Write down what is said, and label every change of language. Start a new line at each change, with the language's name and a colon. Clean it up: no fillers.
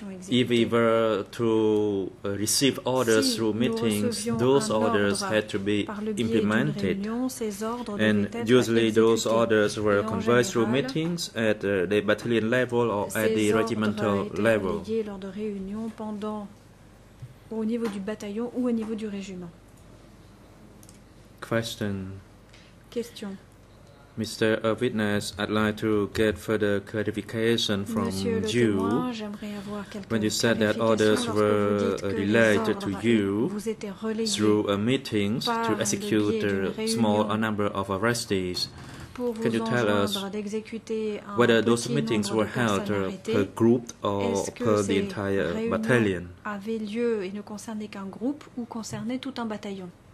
English: If we were to receive orders through meetings, those orders had to be implemented. And usually those orders were conveyed through meetings at the battalion level or at the regimental level.
French: Lors de réunions pendant ou au niveau du bataillon ou au niveau du régiment.
English: Question.
French: Question.
English: Mr. Witness, I'd like to get further clarification from
French: Monsieur
English: you.
French: Témoin, j'aimerais avoir quelques
English: when you said that orders were relayed to you
French: vous étaient relayés
English: through a meeting to execute a small number of arrestees.
French: Pour vous
English: can you tell us whether those meetings were held per group or per the entire battalion?
French: Avaient lieu et ne concernaient qu'un groupe ou concernaient tout un bataillon?